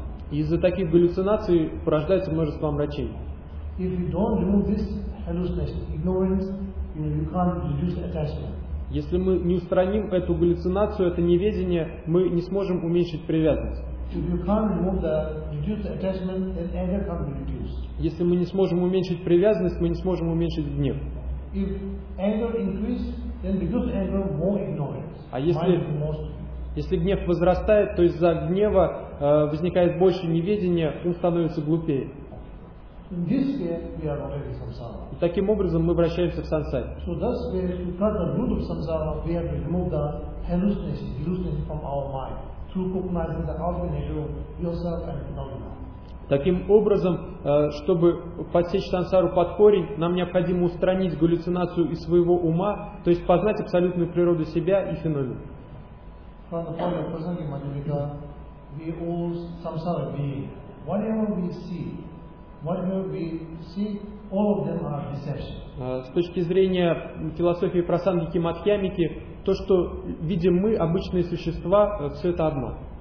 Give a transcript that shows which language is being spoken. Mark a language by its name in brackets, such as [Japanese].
[Russian] Из-за таких галлюцинаций порождается множество омрачений. [English] If you don't remove this hallucination, ignorance, you can't reduce attachment. [Russian] Если мы не устраним эту галлюцинацию, это неведение, мы не сможем уменьшить привязанность. [English] If you can't remove the reduced attachment, then anger can be reduced. [Russian] Если мы не сможем уменьшить привязанность, мы не сможем уменьшить гнев. [English] If anger increases, then reduce anger, more ignorance. [Russian] А если гнев возрастает, то из-за гнева возникает больше неведения, ум становится глупее. И таким образом мы вращаемся в сансаре. [English] So that's where to cut the root of samsara, we have to remove the hallucinations from our mind through cognizing the outer nature, yourself and phenomena. [Russian] Таким образом, чтобы подсечь сансару под корень, нам необходимо устранить галлюцинацию из своего ума, то есть познать абсолютную природу себя и феномен. С точки зрения философии Прасангики Мадхьямики, то, что видим мы, обычные существа, все это обман.